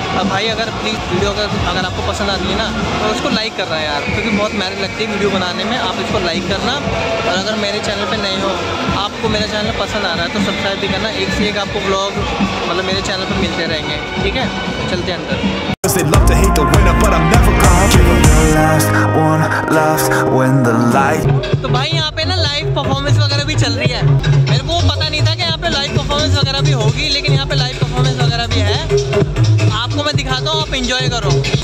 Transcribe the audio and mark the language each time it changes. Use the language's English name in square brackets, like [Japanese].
[Hindi] अब भाई अगर प्लीज़ वीडियो अगर आपको पसंद आती है ना तो उसको लाइक करना यार, क्योंकि बहुत मेहनत लगती है वीडियो बनाने में, आप इसको लाइक करना, और अगर मेरे चैनल पे नए हो आपको मेरा चैनल पसंद आ रहा है तो सब्सक्राइब भी करना, एक से एक आपको ब्लॉग मतलब मेरे चैनल पर मिलते रहेंगे ठीक है, चलते हैं अंदर। [English] They love to hate the winner, but I'm never gonna give up. The last one left when the light. [Hindi] तो भाई यहाँ पे ना live performance वगैरह भी चल रही है, मेरे को पता नहीं था कि यहाँ पे live performance वगैरह भी होगी, लेकिन यहाँ पे live performance वगैरह भी है, आपको मैं दिखाता हूँ आप enjoy करो।